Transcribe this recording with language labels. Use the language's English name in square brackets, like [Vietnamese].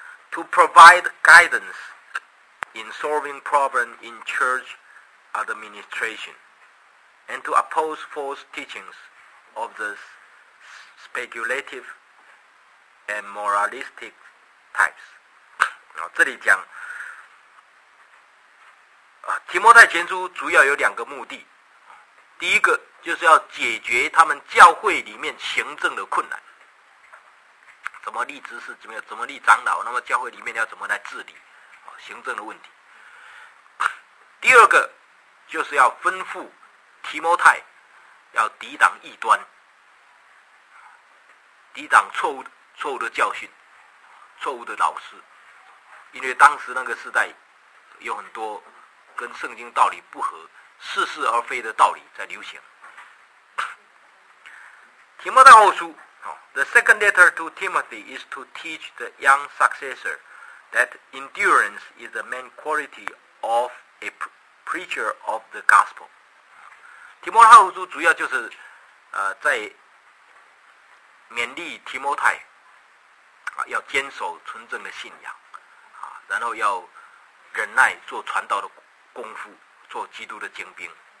[English] To provide guidance in solving problems in church administration, and to oppose false teachings of the speculative and moralistic types. [Chinese] 这里讲啊，提摩太前书主要有两个目的。第一个就是要解决他们教会里面行政的困难，怎么立执事，怎么立长老，那么教会里面要怎么来治理行政的问题。第二个就是要吩咐提摩太要抵挡异端，抵挡错误的教训，错误的老师。因为当时那个时代有很多跟圣经道理不合、似是而非的道理在流行。 [English] 提摩太后书 The second letter to Timothy is to teach the young successor that endurance is the main quality of a preacher of the gospel. [Chinese] 提摩太后书主要就是在勉励提摩太要坚守纯正的信仰，然后要忍耐做传道的功夫，做基督的精兵。